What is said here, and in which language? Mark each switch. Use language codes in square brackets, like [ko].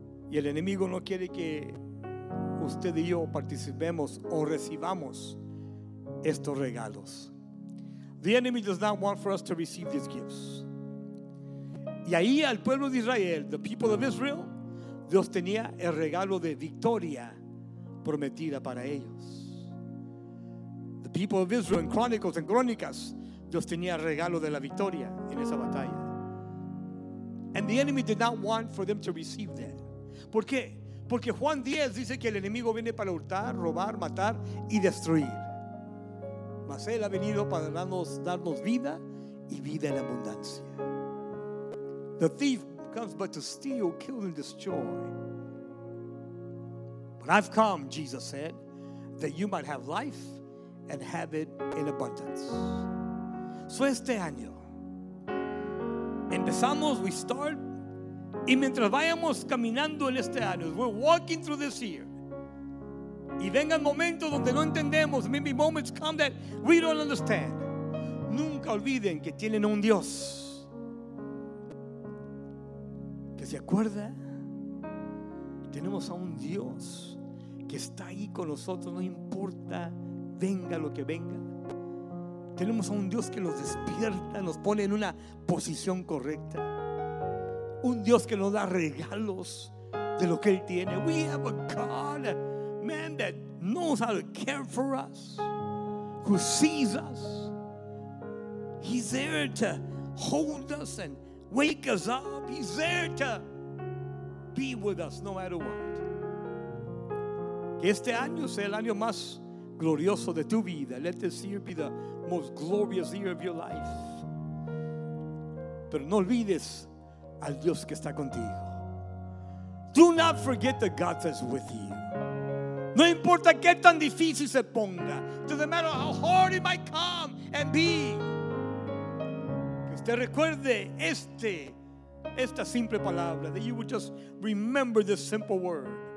[es] Y el enemigo no quiere que usted y yo participemos o recibamos estos regalos. [en] The enemy does not want for us to receive these gifts. [es] Y ahí al pueblo de Israel, [en] the people of Israel, [es] Dios tenía el regalo de victoria prometida para ellos. [en] The people of Israel in Chronicles and [es] Crónicas, Dios tenía el regalo de la victoria en esa batalla. [en] And the enemy did not want for them to receive that. [es] ¿Por qué? Porque Juan 10 dice que el enemigo viene para hurtar, robar, matar y destruir. Mas él ha venido para darnos vida y vida en abundancia. [en] The thief comes but to steal, kill, and destroy. But I've come, Jesus said, that you might have life and have it in abundance. [es] So este año, empezamos, [en] we start, [es] y mientras vayamos caminando en este año, [en] we're walking through this year, [es] y vengan momentos donde no entendemos, [en] maybe moments come that we don't understand, [es] nunca olviden que tienen un Dios. ¿Se acuerda? Tenemos a un Dios que está ahí con nosotros, no importa, venga lo que venga. Tenemos a un Dios que nos despierta, nos pone en una posición correcta. un Dios que nos da regalos de lo que Él tiene. [en] We have a God, man, that knows how to care for us, who sees us. He's there to hold us and wake us up. He's there to be with us no matter what. [es] Que este año sea el año más glorioso de tu vida. [en] Let this year be the most glorious year of your life. [es] Pero no olvides al Dios que está contigo. [en] Do not forget the God that's with you. [es] No importa qué tan difícil se ponga. [en] Doesn't matter how hard it might come and be. [es] Que usted recuerde esta simple palabra. [en] That you would just remember this simple word.